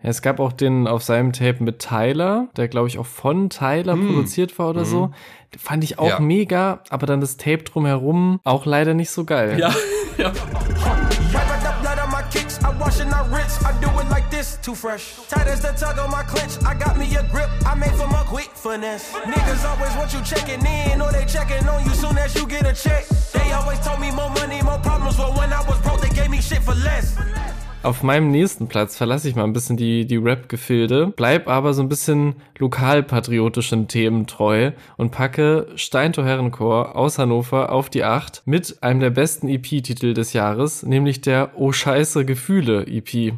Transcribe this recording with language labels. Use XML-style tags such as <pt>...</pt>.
<de>Ja, es gab auch den auf seinem Tape mit Tyler, der glaube ich auch von Tyler produziert war oder so. Fand ich auch mega, aber dann das Tape drumherum auch leider nicht so geil. Ja. Ja.</de> <en>I racked up blood on my kicks, I wash and I rinse, I do it like this, too fresh. Tight as the tug on my clinch, I got me a grip, I made for my quick finesse. Niggas always want you checking in, or they checking on you soon as you get a check. They always told me more money, more problems, but when I was broke, they gave me shit for less.</en> <de>Auf meinem nächsten Platz verlasse ich mal ein bisschen die Rap-Gefilde, bleib aber so ein bisschen lokalpatriotischen Themen treu und packe Steintor Herrenchor aus Hannover auf die 8 mit einem der besten EP-Titel des Jahres, nämlich der Oh Scheiße Gefühle EP.</de>